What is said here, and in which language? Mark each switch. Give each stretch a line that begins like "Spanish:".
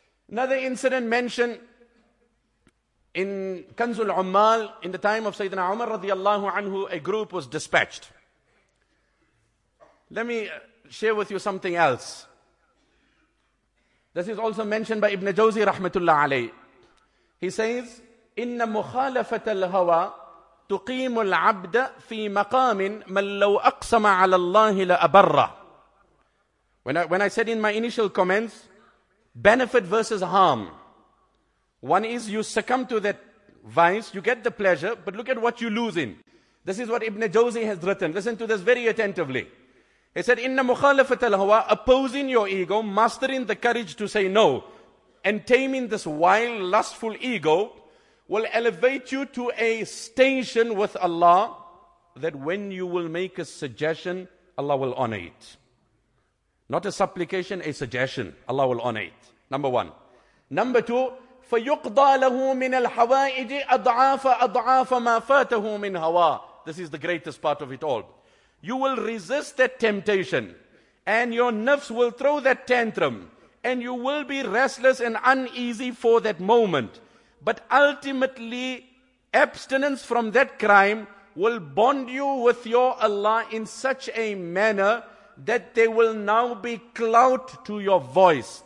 English: Another incident mentioned in Kanzul Ummal, in the time of Sayyidina Umar radiallahu anhu, a group was dispatched. Let me share with you something else. This is also mentioned by Ibn Jawzi rahmatullah alayh. He says,
Arabic: إِنَّ مُخَالَفَةَ الْهَوَى تُقِيمُ الْعَبْدَ فِي مَقَامٍ مَنْ لَوْ أَقْسَمَ عَلَى اللَّهِ لَأَبَرَّ.
English: When I said in my initial comments, benefit versus harm. One is you succumb to that vice, you get the pleasure, but look at what you lose in. This is what Ibn Jawzi has written. Listen to this very attentively. He said,
Arabic: "Inna mukhalafat al-hawa,
English: opposing your ego, mastering the courage to say no, and taming this wild, lustful ego, will elevate you to a station with Allah, that when you will make a suggestion, Allah will honor it." Not a supplication, a suggestion. Allah will honor it. Number one. Number two,
Arabic: فَيُقْضَى لَهُ مِنَ الْحَوَائِجِ أَضْعَافَ أَضْعَافَ مَا فَاتَهُ مِنْ هَوَى.
English: This is the greatest part of it all. You will resist that temptation, and your nafs will throw that tantrum, and you will be restless and uneasy for that moment. But ultimately, abstinence from that crime will bond you with your Allah in such a manner that there will now be clout to your voice.